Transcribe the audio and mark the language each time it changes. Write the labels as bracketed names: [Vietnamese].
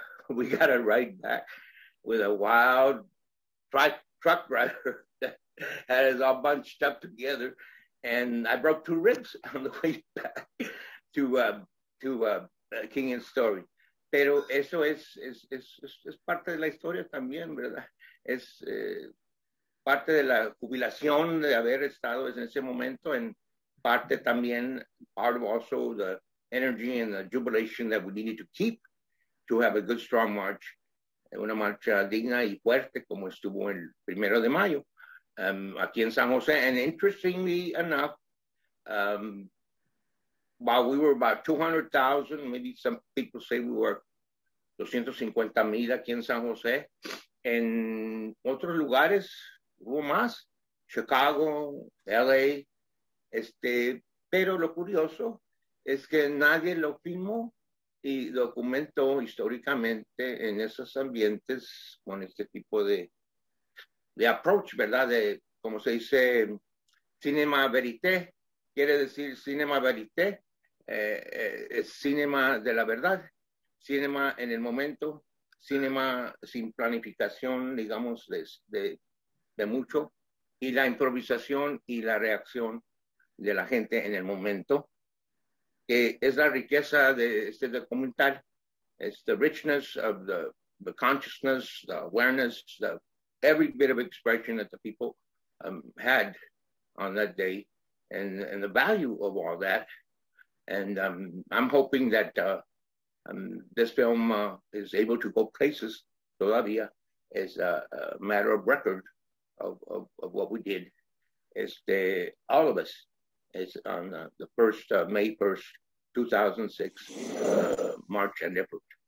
[English] We got a ride back with a wild truck driver that had us all bunched up together, and I broke two ribs on the way back to King and Story. [Spanish] Pero eso es parte de la historia también, ¿verdad? Es parte de la jubilación de haber estado en ese momento en parte también, [English] part of also the energy and the jubilation that we needed to keep to have a good strong march, [Spanish] una marcha digna y fuerte como estuvo el primero de mayo aquí en San José. [English] And interestingly enough, while we were about 200,000, maybe some people say we were 250,000 [Spanish] aquí en San José. En otros lugares hubo más, Chicago, LA, pero lo curioso es que nadie lo filmó y documentó históricamente en esos ambientes con este tipo de approach, ¿verdad? De, como se dice, cinema verité, quiere decir cinema verité, es cinema de la verdad. Cinema en el momento, cinema sin planificación, digamos, de mucho, y la improvisación y la reacción de la gente en el momento, que es la riqueza de este documental. [English] It's the richness of the consciousness, the awareness, the every bit of expression that the people had on that day, and the value of all that. And I'm hoping that this film is able to go places [Spanish] todavía [English] as a matter of record of what we did, all of us, is on the first May 1st, 2006, March and April.